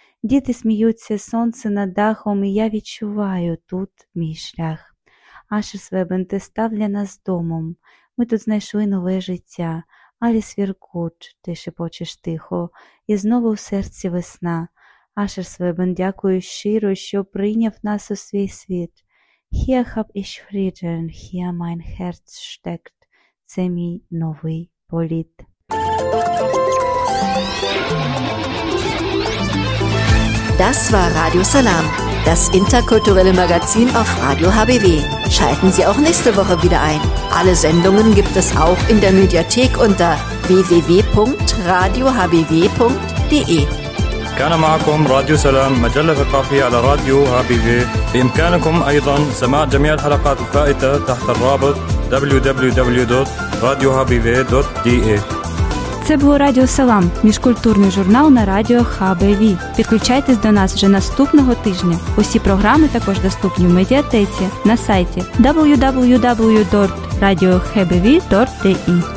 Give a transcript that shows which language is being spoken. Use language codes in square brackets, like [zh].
[uk] Діти сміються, сонце над дахом, і я відчуваю тут мій шлях. Aschersleben, ти став для нас домом. Ми тут знайшли нове життя. [de] Alles wird gut, [uk] ти шепочеш тихо, і знову у серці весна. Aschersleben, дякую щиро, що прийняв нас у свій світ. [de] Hier hab ich Frieden, hier mein Herz steckt. [uk] Це мій новий політ. [de] Das war Radio Salam, das interkulturelle Magazin auf Radio HBW. Schalten Sie auch nächste Woche wieder ein. Alle Sendungen gibt es auch in der Mediathek unter www.radiohbw.de. [ar] كان معكم راديو سلام مجلة ثقافية على راديو HBW. بإمكانكم أيضا سماع جميع الحلقات الفائتة تحت الرابط www.radiohbw.de. [uk] Це було Радіо Салам, міжкультурний журнал на радіо HBW. Підключайтесь до нас вже наступного тижня. Усі програми також доступні в медіатеці на сайті www.radiohbw.de.